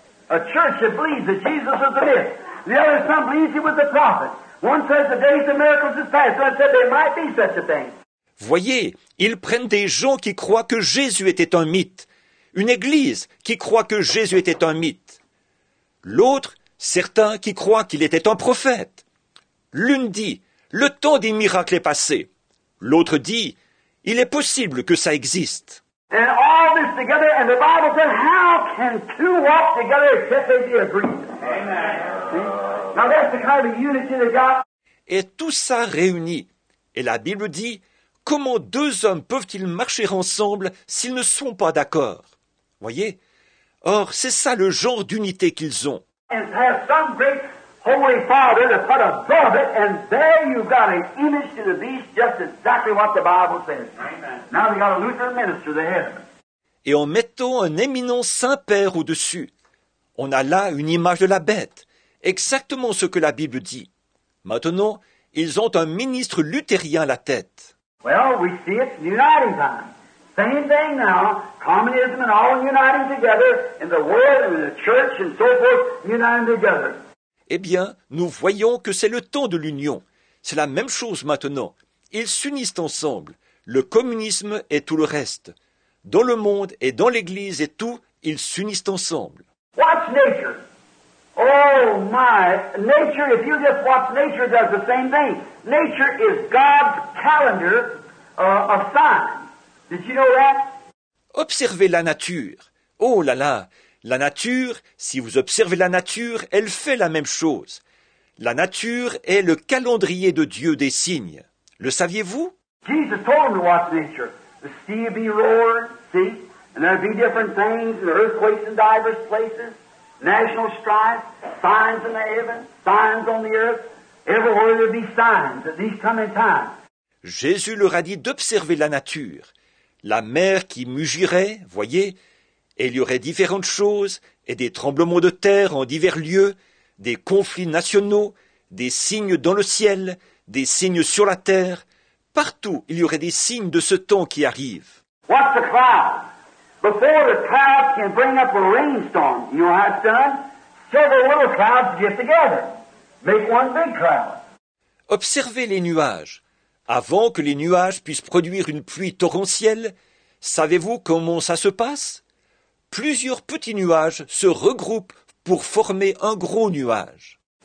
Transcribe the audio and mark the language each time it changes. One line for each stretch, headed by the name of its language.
English: A church that believes that Jesus was a myth. The other some believes he was a prophet. One says the days of miracles is past. One said there might be such a thing.
French: Voyez, ils prennent des gens qui croient que Jésus était un mythe. Une église qui croit que Jésus était un mythe. L'autre, certains qui croient qu'il était un prophète. L'une dit, le temps des miracles est passé. L'autre dit, il est possible que ça existe.
English: And all this together, and the Bible says, how can two walk together except they be agreed? Amen. See? Now that's the kind of unity they got.
French: Et tout ça réuni. Et la Bible dit, comment deux hommes peuvent-ils marcher ensemble s'ils ne sont pas d'accord? Voyez? Or, c'est ça le genre d'unité qu'ils ont.
English: And to have some great holy father to put above it, and there you've got an image to the beast, just exactly what the Bible says. Amen. Now we've got a Lutheran minister there.
French: Et en mettant un éminent Saint-Père au-dessus, on a là une image de la bête, exactement ce que la Bible dit. Maintenant, ils ont un ministre luthérien à la tête.
English: Well, we see it's uniting time. Same thing now, communism and all uniting together, and the world and the church and so forth uniting together.
French: Eh bien, nous voyons que c'est le temps de l'union. C'est la même chose maintenant. Ils s'unissent ensemble. Le communisme et tout le reste. Dans le monde et dans l'église et tout, ils s'unissent ensemble.
English: Watch nature. Oh my, nature, if you just watch nature, does the same thing. Nature is God's calendar of signs. Did you know that?
French: Observez la nature. Oh là là! La nature, si vous observez la nature, elle fait la même chose. La nature est le calendrier de Dieu des signes. Le saviez-vous?
English: Jesus told them to watch nature. The sea would be roaring, see? And there'd be different things, and earthquakes in diverse places, national strife, signs in the heaven, signs on the earth. Everywhere there'd be signs at these coming times.
French: Jésus leur a dit d'observer la nature. La mer qui mugirait, voyez? Et il y aurait différentes choses, et des tremblements de terre en divers lieux, des conflits nationaux, des signes dans le ciel, des signes sur la terre. Partout, il y aurait des signes de ce temps qui arrive.
English: Watch the cloud. Before the clouds can bring up a rainstorm, you know how it's done? Several little clouds get together. Make one big cloud.
French: Observez les nuages. Avant que les nuages puissent produire une pluie torrentielle, savez-vous comment ça se passe? Plusieurs petits nuages se regroupent pour former un gros nuage.